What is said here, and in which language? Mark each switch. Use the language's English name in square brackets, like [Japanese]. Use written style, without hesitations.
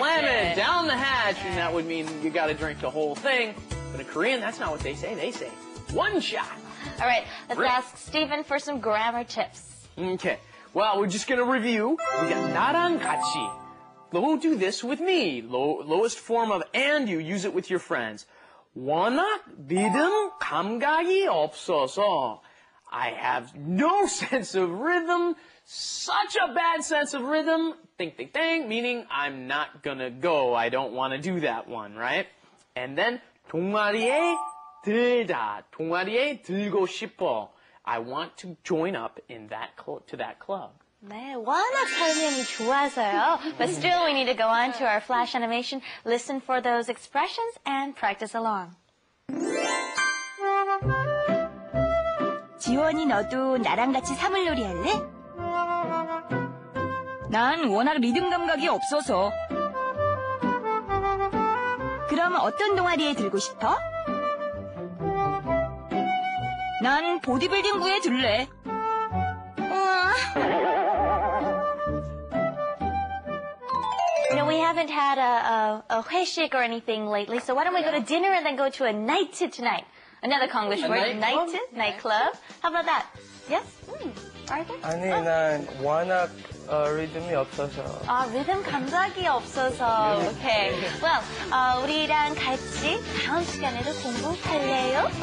[English] Slam it, down the hatch, and that would mean you got to drink the whole thing. But in Korean, that's not what they say. They say one shot. All right, let's ask Stephen for some grammar tips. Okay, well, we're just going to review. We got [Korean] 나랑 같이. [English] Lo, do this with me. Lowest form of and, you use it with your friends. [Korean] 워낙 믿음 감각이 없어서. [English] I have no sense of rhythm. Such a bad sense of rhythm. Think, think, think. Meaning, I'm not going to go. I don't want to do that one, right? And then, [Korean] 동아리에 들다. 동아리에 들고 싶어. [English] I want to join up in that to that club. [Korean] 네, 워낙 설명이 좋아서요. [English] But still, we need to go on to our flash animation. Listen for those expressions and practice along. [Korean] 지원이 너도 나랑 같이 사물놀이 할래? 난 워낙 리듬 감각이 없어서. 그럼 어떤 동아리에 들고 싶어? 난 보디빌딩부에 들래. 우와. [English] You know, we haven't had a 회식 or anything lately, so why don't we go to dinner and then go to a night tonight? Another Konglish word, nightclub. How about that? Yes? Arthur? [Korean] 아니, 난 워낙 리듬이 없어서. 아, 리듬 감각이 없어서. [English] Okay. [Korean] Well, 우리랑 같이 다음 시간에도 공부할래요?